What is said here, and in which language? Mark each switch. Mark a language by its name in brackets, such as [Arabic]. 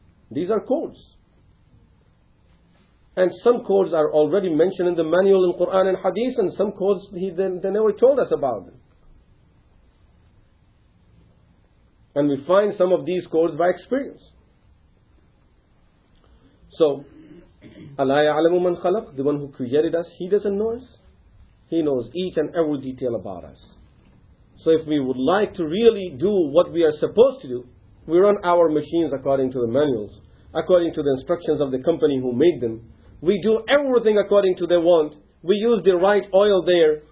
[English] These are codes. And some codes are already mentioned in the manual in Quran and Hadith, and some codes they never told us about them. And we find some of these codes by experience. [Arabic] So, أَلَا يَعْلَمُ مَنْ خَلَقْ. [English] The one who created us, he doesn't know us. He knows each and every detail about us. So if we would like to really do what we are supposed to do, we run our machines according to the manuals, according to the instructions of the company who made them. We do everything according to their want. We use the right oil there.